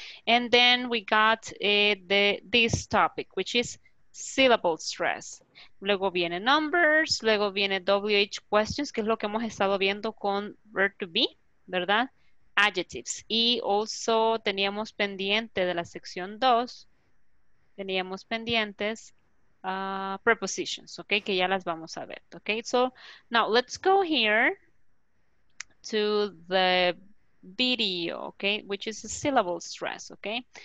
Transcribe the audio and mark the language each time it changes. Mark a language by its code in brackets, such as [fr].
[en] And then we got this topic, which is syllable stress. [es] Luego viene numbers, luego viene WH questions, que es lo que hemos estado viendo con verb to be, ¿verdad? Adjectives. Y also teníamos pendiente de la sección 2, teníamos pendientes... prepositions, okay, que ya las vamos a ver, okay. [en] So now let's go here to the video, okay, which is a syllable stress, okay.